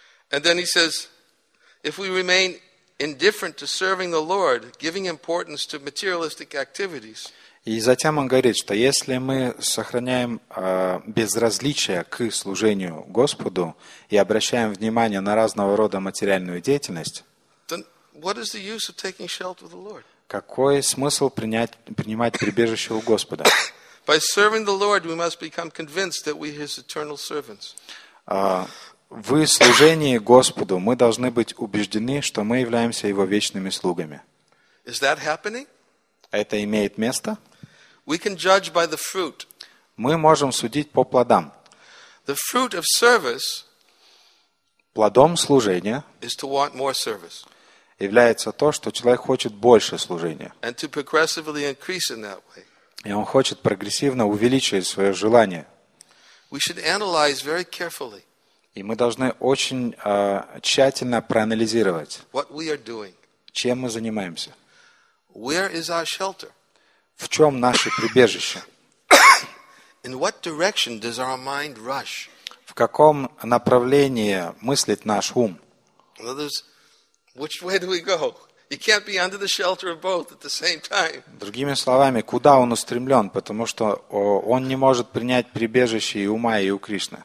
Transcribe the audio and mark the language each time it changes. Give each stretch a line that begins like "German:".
English: And then he says, if we remain indifferent to serving the Lord, giving importance to materialistic activities.
Russian: И затем он говорит, что если мы сохраняем безразличие к служению Господу и обращаем внимание на разного рода материальную деятельность,
English: then what is the use of taking shelter of the Lord?
Russian: Какой смысл принимать прибежище у Господа?
English: By serving the Lord, we must become convinced that we are His eternal servants.
Russian: В служении Господу мы должны быть убеждены, что мы являемся Его вечными слугами.
English: Is that happening?
Russian: Это имеет место?
English: We can judge by the fruit.
Russian: Мы можем судить по плодам.
English: The fruit of service.
Russian: Плодом служения.
English: Is to want more service.
Russian: Является то, что человек хочет больше служения.
English: And to progressively increase in that way.
Russian: И он хочет прогрессивно увеличивать свое желание.
English: We should analyze very carefully.
Russian: И мы должны очень тщательно проанализировать,
English: what we are doing.
Russian: Чем мы занимаемся.
English: Where is our shelter?
Russian: В чем наше прибежище?
English: In what direction does our mind rush?
Russian: В каком направлении мыслит наш ум?
English: Which way do we go? You can't be under the shelter of both at the same time.
Russian: Другими словами, куда он устремлен, потому что он не может принять прибежище и у Майи, и у Кришны.